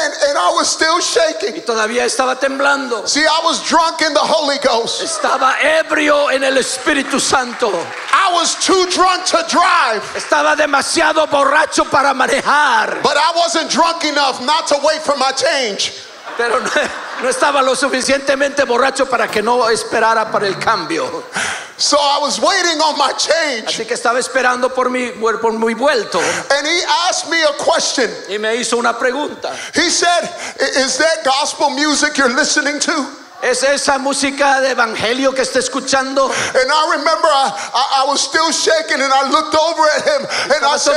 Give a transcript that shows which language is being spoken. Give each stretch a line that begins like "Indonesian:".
English: And I was still shaking.
Spanish: Y todavía estaba temblando.
English: See, I was drunk in the Holy Ghost.
Spanish: Estaba ebrio en el Espíritu Santo.
English: I was too drunk to drive.
Spanish: Estaba demasiado borracho para manejar.
English: But I wasn't drunk enough not to wait for my change.
Spanish: Pero no estaba lo suficientemente borracho para que no esperara para el cambio.
English: So I was waiting on my change.
Spanish: Así que estaba esperando por mi vuelto.
English: And he asked me a question.
Spanish: Y me hizo una pregunta.
English: He said, "Is that gospel music you're listening to?"
Spanish: ¿Es esa música de evangelio que está escuchando?
English: And I remember I was still shaking and I looked over at him and I said,